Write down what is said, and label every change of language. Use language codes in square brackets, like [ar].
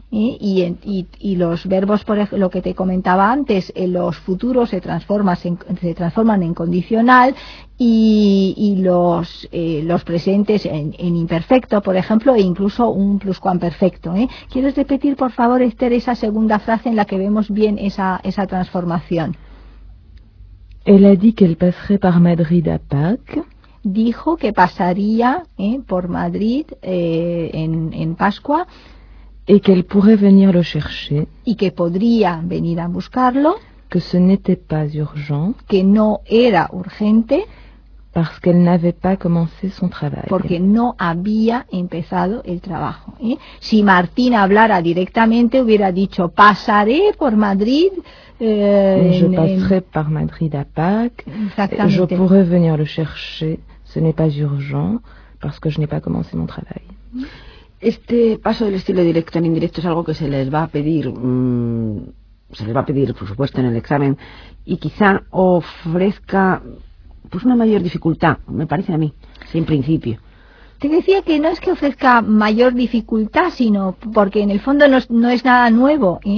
[es] Y los verbos, por lo que te comentaba antes, en los futuros se transforman en condicional, y los presentes en imperfecto, por ejemplo, e incluso un pluscuamperfecto. ¿Quieres repetir, por favor, Esther, esa segunda frase en la que vemos bien esa transformación? [fr] Elle a dit qu'elle passerait par Madrid à Pâques. [es] Dijo que pasaría por Madrid en Pascua. [fr] Et qu'elle pourrait venir le chercher. [es] Y que podría venir a buscarlo. [fr] Que ce n'était pas urgent. [es] Que no era urgente. [fr] Parce qu'elle n'avait pas commencé son travail. [es] Porque no había empezado el trabajo. Si Martín hablara directamente, hubiera dicho: pasaré por Madrid. [fr] Je passerai par Madrid à Pâques. [es] Exactamente. [fr] Je pourrais venir le chercher. Ce n'est pas urgent. Parce que je n'ai pas commencé mon travail. [es] Este paso del estilo directo en indirecto es algo que se les va a pedir, por supuesto, en el examen, y quizá ofrezca pues una mayor dificultad, me parece a mí, en principio. Te decía que no es que ofrezca mayor dificultad, sino porque en el fondo no es nada nuevo.